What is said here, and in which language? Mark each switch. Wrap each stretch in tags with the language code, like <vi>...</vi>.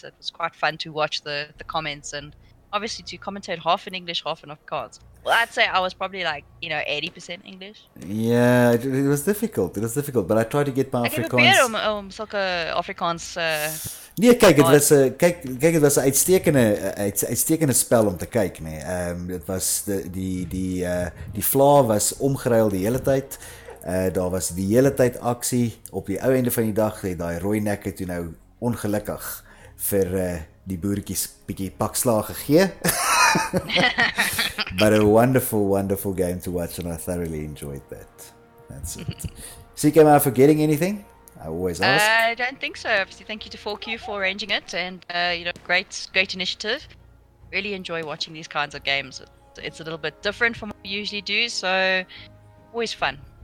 <en>So it was quite fun to watch the comments, and obviously to commentate half in English, half in Afrikaans. Well, I'd say I was probably like, you know, 80% English. Yeah, it was difficult. It was difficult, but I tried to get my Afrikaans.</en> <af>Ek het probeer om sulke Afrikaans. Nee, kyk, dit was 'n kyk, dit was 'n uitstekende spel om te kyk, nee. Dit was die vla was omgeruil die hele tyd. Daar was die hele tyd aksie op die ou einde van die dag, het daai rooi nekke toe nou ongelukkig vir die boertjies bietjie pakslag gegee.</af> <en>But a wonderful, wonderful game to watch, and I thoroughly enjoyed that. That's it. CK, am I forgetting anything? I always ask. I don't think so. Obviously, thank you to 4Q for arranging it, and you know, great initiative. Really enjoy watching these kinds of games. It's a little bit different from what we usually do, so always fun.</en>